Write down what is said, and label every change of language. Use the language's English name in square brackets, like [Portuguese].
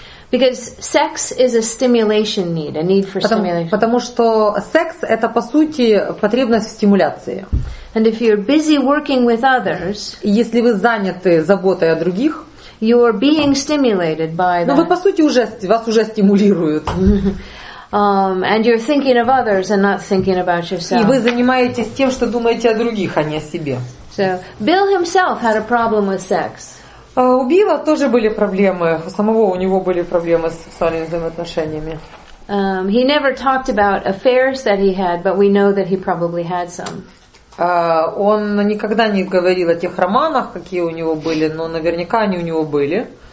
[English] Because sex is a stimulation need, a need for stimulation. [Russian] Потому что секс — это по сути потребность в стимуляции. [English] And if you're busy working with others, [Russian] если вы заняты заботой о других, [English] you are being stimulated by them. [Russian] Ну вы по сути уже, вас уже стимулируют. [English] And you're thinking of others and not thinking about yourself. [Russian] И вы занимаетесь тем, что думаете о других, а не о себе. [English] So Bill himself had a problem with sex. [Russian] У Билла тоже были проблемы. У самого у него были проблемы с сексуальными взаимоотношениями. [English] He never talked about affairs that he had, but we know that he probably had some. [Russian] Он никогда не говорил о тех романах, какие у него были, но наверняка они у него были.